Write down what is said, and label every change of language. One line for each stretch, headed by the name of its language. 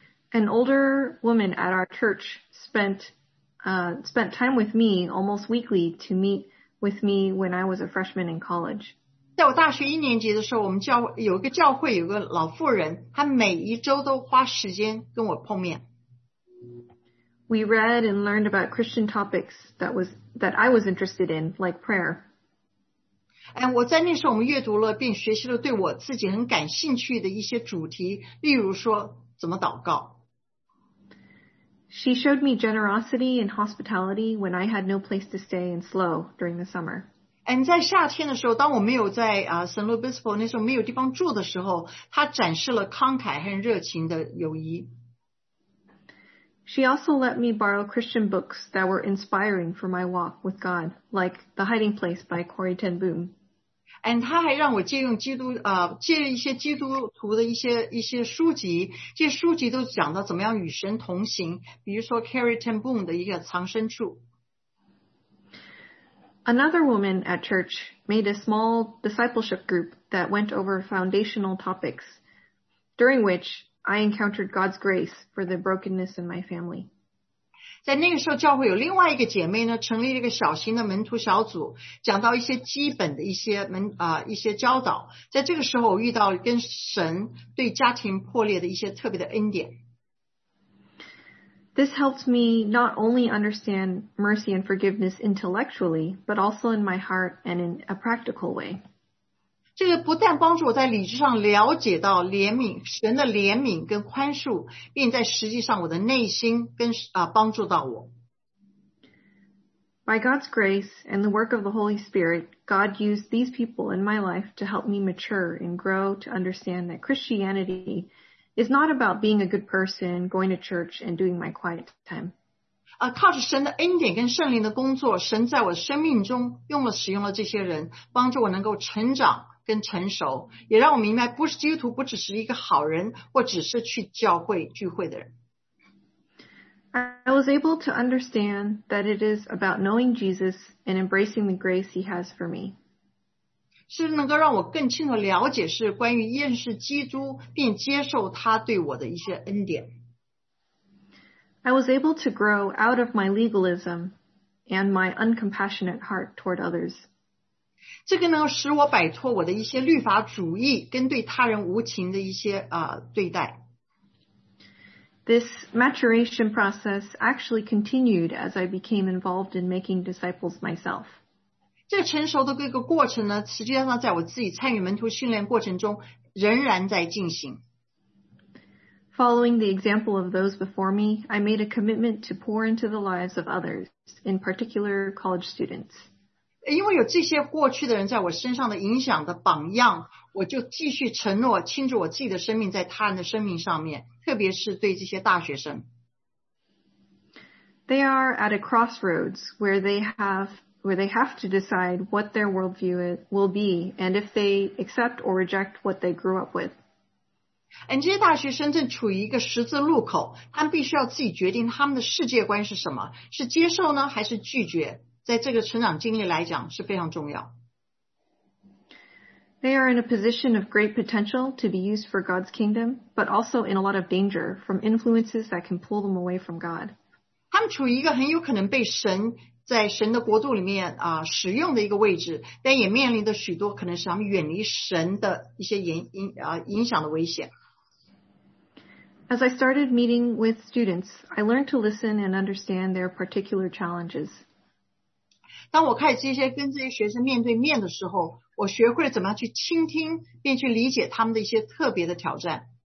English: An older woman at our church spent time with me almost weekly to meet with me when I was a freshman in college.
Chinese: 在我大学一年级的时候，我们有一个教会有个老妇人，她每一周都花时间跟我碰面。
English: We read and learned about Christian topics that I was interested in, like prayer. And
Chinese: 我在那时候我们阅读了并学习了对我自己很感兴趣的一些主题，例如说怎么祷告。
English: She showed me generosity and hospitality when I had no place to stay in SLO during the summer. And
Chinese: 在夏天的时候，当我没有在圣路易斯堡那时候没有地方住的时候，她展示了慷慨和热情的友谊。
English: She also let me borrow Christian books that were inspiring for my walk with God, like The Hiding Place by Corrie ten Boom. And
Chinese: 她还让我借用基督借一些基督徒的一些书籍，这书籍都讲到怎么样与神同行，比如说 Corrie ten Boom 的一个藏身处。
English: Another woman at church made a small discipleship group that went over foundational topics, during which I encountered God's grace for the brokenness in my family.
Chinese: 在那个时候，教会有另外一个姐妹呢，成立了一个小型的门徒小组，讲到一些基本的一些教导。在这个时候，我遇到跟神对家庭破裂的一些特别的恩典。
English: This helped me not only understand mercy and forgiveness intellectually, but also in my heart and in a practical way.
Chinese: 这个不但帮助我在理智上了解到怜悯神的怜悯跟宽恕，并在实际上我的内心跟帮助到我。
English: By God's grace and the work of the Holy Spirit, God used these people in my life to help me mature and grow to understand that Christianity is not about being a good person, going to church, and doing my quiet time.
Chinese: 靠着神的恩典跟圣灵的工作，神在我生命中使用了这些人，帮助我能够成长跟成熟，也让我明白不是基督徒不只是一个好人或只是去教会聚会的人。
English: I was able to understand that it is about knowing Jesus and embracing the grace he has for me.
Chinese: 是能够让我更清楚了解是关于认识基督并接受他对我的一些恩典。
English: I was able to grow out of my legalism and my uncompassionate heart toward others.
Chinese: 这个呢，使我摆脱我的一些律法主义跟对他人无情的一些对待。
English: This maturation process actually continued as I became involved in making disciples myself.
Chinese: 这成熟的这个过程呢，实际上在我自己参与门徒训练过程中仍然在进行。
English: Following the example of those before me, I made a commitment to pour into the lives of others, in particular college students.
Chinese: 因为有这些过去的人在我身上的影响的榜样，我就继续承诺倾注我自己的生命在他人的生命上面，特别是对这些大学生。
English: They are at a crossroads where they have to decide what their worldview will be and if they accept or reject what they grew up with.
Chinese: 这些大学生正处于一个十字路口，他们必须要自己决定他们的世界观是什么，是接受呢还是拒绝。在这个成长经历来讲是非常重要。
English: They are in a position of great potential to be used for God's kingdom, but also in a lot of danger from influences that can pull them away from God.
Chinese: 他们处于一个很有可能被神在神的国度里面使用的一个位置，但也面临着许多可能使他们远离神的一些影响的危险。
English: As I started meeting with students, I learned to listen and understand their particular challenges.
Chinese: 当我开始跟这些学生面对面的时候，我学会了怎么样去倾听并去理解他们的一些特别的挑战。